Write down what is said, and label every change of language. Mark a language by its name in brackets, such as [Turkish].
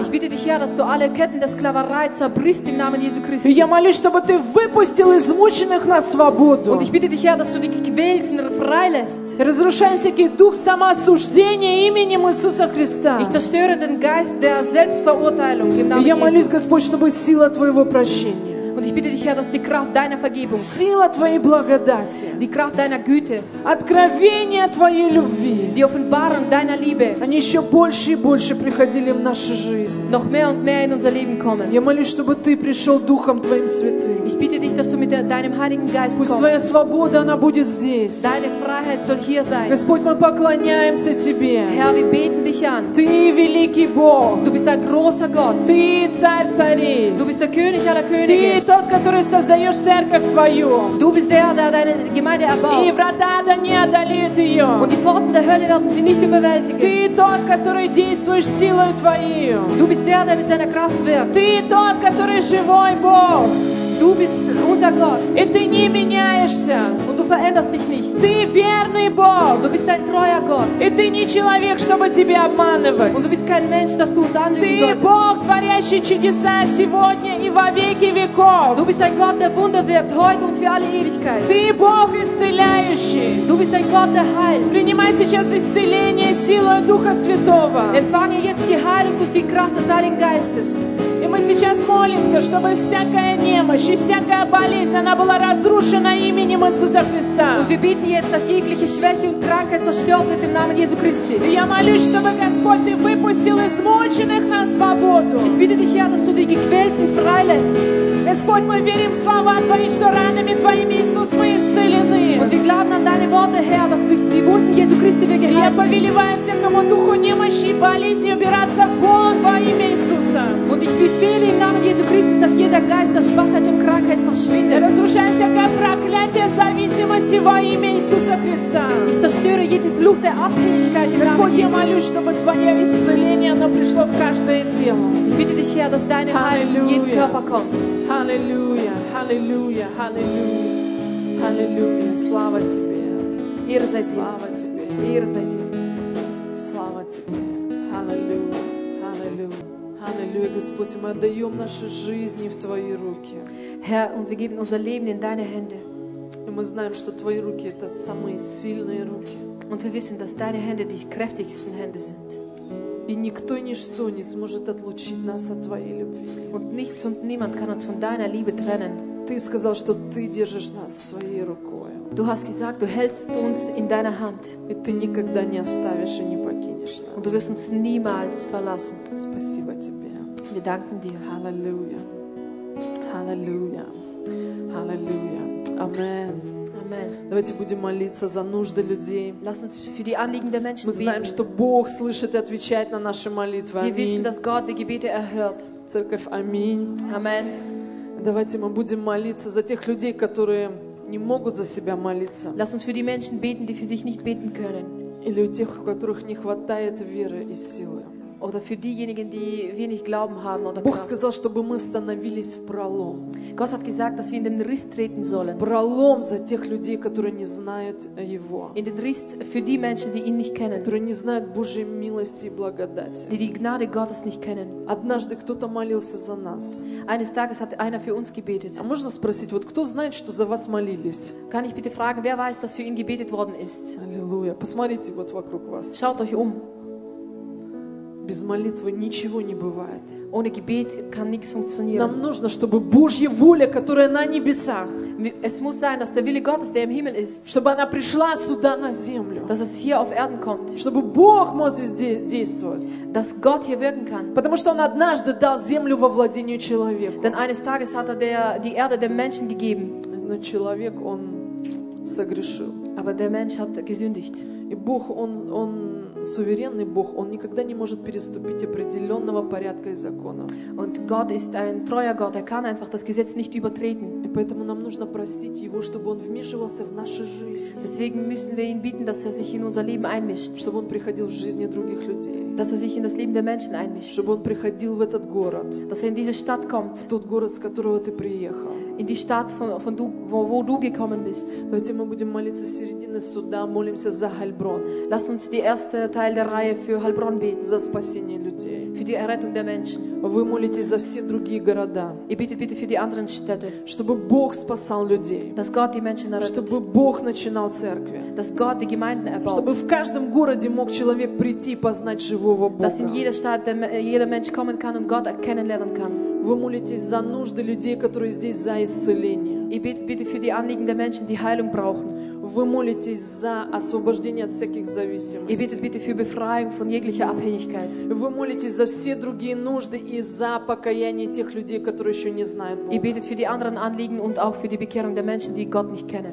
[German] Ich bitte dich, Herr, dass du alle Ketten der Sklaverei zerbrichst im Namen Jesu Christi. [Russian] Я молюсь, чтобы ты выпустил измученных на свободу. [German] Und ich bitte dich, Herr, dass du die Gequälten freilässt. [Russian] Разрушай всякий дух самоосуждения именем Иисуса Христа. [German] Ich zerstöre den Geist der Selbstverurteilung im Namen [Russian] Jesu. Я молюсь, Господь, чтобы сила твоего прощения. [German] Und ich bitte dich, Herr, dass die Kraft deiner Vergebung, [Russian] сила твоей благодати, [German] die Kraft deiner Güte, [Russian] откровение твоей любви, [German] die Offenbarung deiner Liebe, [Russian] они еще больше и больше приходили в нашу жизнь, [German] noch mehr und mehr in unser Leben kommen. [Russian] Я молюсь, чтобы ты пришел Духом твоим святым. [German] Ich bitte dich, dass du mit deinem Heiligen Geist [Russian] Пусть твоя свобода, она будет здесь. [German] Deine Freiheit soll hier sein. [Russian] Господь, мы поклоняемся тебе. [German] Herr, wir beten dich an. [Russian] Ты великий Бог. [German] Du bist ein großer Gott. [Russian] Ты царь царей. [German] Du bist der König aller Könige. [Russian] Тот, который создаешь церковь твою. [German] Du bist der, der deine Gemeinde erbaut. [Russian] И врата ада не одолеют ее. [German] Und die Pforten der Hölle werden sie nicht überwältigen. [Russian] Ты тот, который действуешь силою твою. [German] Du bist der, der mit seiner Kraft wirkt. [Russian] Ты тот, который живой Бог. [German] Du bist unser Gott. [Russian] И ты не меняешься. [German] Und du veränderst dich nicht. [Russian] Ты верный Бог. [German] Du bist ein treuer Gott. [Russian] И ты не человек, чтобы тебя обманывать. [German] Und du bist kein Mensch, dass du uns anlügen [Russian] ты [German] solltest. [Russian] Бог, творящий чудеса сегодня и во веки веков. [German] Du bist ein Gott, der Wunder wirkt, heute und für alle Ewigkeit. [Russian] Ты Бог исцеляющий. [German] Du bist ein Gott, der heilt. [Russian] Принимай сейчас исцеление силой Духа Святого. [German] Empfange jetzt die Heilung durch die Kraft des Heiligen Geistes. [Russian] И мы сейчас молимся, чтобы всякая немощь и всякая болезнь, она была разрушена именем Иисуса Христа. [German] Und wir bitten jetzt, dass jegliche Schwäche und Krankheit zerstört wird im Namen Jesu Christi. [Russian] И я молюсь, чтобы Господь, ты выпустил измученных на свободу. [German] Ich bitte dich, Herr, dass du die Gequälten freilässt. [Russian] Господь, мы верим в слова Твои, что ранами Твоими, Иисус, мы исцелены. [German] Und wir glauben an deine Worte, Herr, dass durch die Wunden Jesu Christi wir geheilt sind. [Russian] Я повелеваю всякому духу немощи и болезни убираться вон во имя Иисуса. [German] Und ich befehle im Namen Jesu Christi, dass jeder Geist der Schwachheit und Krankheit verschwindet. [Russian] Разрушай всякое проклятие зависимости во имя Иисуса Христа. [German] Ich zerstöre jeden Fluch der Abhängigkeit im Namen Jesu. [Russian] Господь, я молюсь, чтобы Твое исцеление, оно пришло в каждое тело. [German] Ich bitte dich, Herr, dass deine Heilung in jeden Körper kommt. [Russian] Halleluja, Halleluja, Halleluja, Halleluja, слава тебе. Ир за тебе. Слава тебе. Ир за тебе. Слава тебе. Halleluja, Halleluja, Halleluja. Господь, мы отдаем наши жизни в Твои руки. [German] Herr, und wir geben unser Leben in Deine Hände. [Russian] И мы знаем, что Твои руки – это самые сильные руки. [German] Und wir wissen, dass Deine Hände die kräftigsten Hände sind. [Russian] И никто и ничто не сможет отлучить нас от Твоей любви. [German] Und nichts und niemand kann uns von deiner Liebe trennen. [Russian] Ты сказал, что Ты держишь нас своей рукой. [German] Du hast gesagt, du hältst uns in deiner Hand. [Russian] И Ты никогда не оставишь и не покинешь нас. [German] Und du wirst uns niemals verlassen. [Russian] Спасибо Тебе. [German] Wir danken Dir. Halleluja. Halleluja. Halleluja. Amen. [Russian] Давайте будем молиться за нужды людей. [German] Lass uns für die Anliegen der Menschen [Russian] Мы знаем, [German] beten. [Russian] Что Бог слышит и отвечает на наши молитвы. Аминь. [German] Wir wissen, dass Gott die Gebete erhört. [Russian] Церковь, аминь. [German] Amen. [Russian] Давайте мы будем молиться за тех людей, которые не могут за себя молиться. [German] Lass uns für die Menschen beten, die für sich nicht beten können. [Russian] Или у тех, у которых не хватает веры и силы. [German] Oder für diejenigen, die wenig Glauben haben oder [Russian] Бог сказал, чтобы мы становились в пролом. [German] Gott hat gesagt, dass wir in den Riss treten sollen. [Russian] В пролом за тех людей, которые не знают Его. [German] In den Riss für die Menschen, die ihn nicht kennen. [Russian] Которые не знают Божьей милости и благодати. [German] Die Gnade Gottes nicht kennen. [Russian] Однажды кто-то молился за нас. [German] Eines Tages hat einer für uns gebetet. [Russian] А можно спросить, вот кто знает, что за вас молились? [German] Kann ich bitte fragen, wer weiß, dass für ihn gebetet worden ist? Halleluja. [Russian] Посмотрите вот вокруг вас. [German] Schaut euch um. [Russian] Без молитвы ничего не бывает. [German] Ohne Gebet kann nichts funktionieren. [Russian] Нам нужно, чтобы Божья воля, которая на небесах, [German] es muss sein, dass der Wille Gottes, der im Himmel ist, [Russian] чтобы она пришла сюда на землю, [German] dass es hier auf Erden kommt, [Russian] чтобы Бог мог здесь действовать, [German] dass Gott hier wirken kann. [Russian] Потому что Он однажды дал землю во владение человеку. [German] Denn eines Tages hat die Erde dem Menschen gegeben. [Russian] Но человек, он согрешил. [German] Aber der Mensch hat gesündigt. [Russian] И Бог, он суверенный Бог, Он никогда не может переступить определенного порядка и закона. [German] Und Gott ist ein treuer Gott, er kann einfach das Gesetz nicht übertreten. [Russian] И поэтому нам нужно просить Его, чтобы Он вмешивался в нашу жизнь. [German] Deswegen müssen wir ihn bitten, dass er sich in unser Leben einmischt. [Russian] Чтобы Он приходил в жизни других людей. [German] Dass er sich in das Leben der Menschen einmischt. [Russian] Чтобы Он приходил в этот город. [German] Dass er in diese Stadt kommt. [Russian] В тот город, с которого ты приехал. [German] In die Stadt, wo du gekommen bist. [Russian] Давайте мы будем молиться с середины суда, молимся за Хальброн. [German] Lass uns die erste Teil der Reihe für Heilbronn beten. [Russian] За спасение людей. [German] Für die Errettung der Menschen. [Russian] Вы молитесь за все другие города. И [German] bitte, bitte für die anderen Städte. [Russian] Чтобы Бог спасал людей. [German] Dass Gott die Menschen errettet. [Russian] Чтобы Бог начинал церкви. [German] Dass Gott die Gemeinden erbaut. [Russian] Чтобы в каждом городе мог человек прийти и познать живого Бога. [German] Dass in jeder Stadt jeder Mensch kommen kann und Gott kennenlernen kann. [Russian] Вы молитесь за нужды людей, которые здесь за исцеление. И [German] bitte für die Anliegen der Menschen, die Heilung brauchen. [Russian] Вы молитесь за освобождение от всяких зависимостей. И [German] bitte für Befreiung von jeglicher Abhängigkeit. [Russian] Вы молитесь за все другие нужды и за покаяние тех людей, которые еще не знают Бога. И [German] bitte für die anderen Anliegen und auch für die Bekehrung der Menschen, die Gott nicht kennen.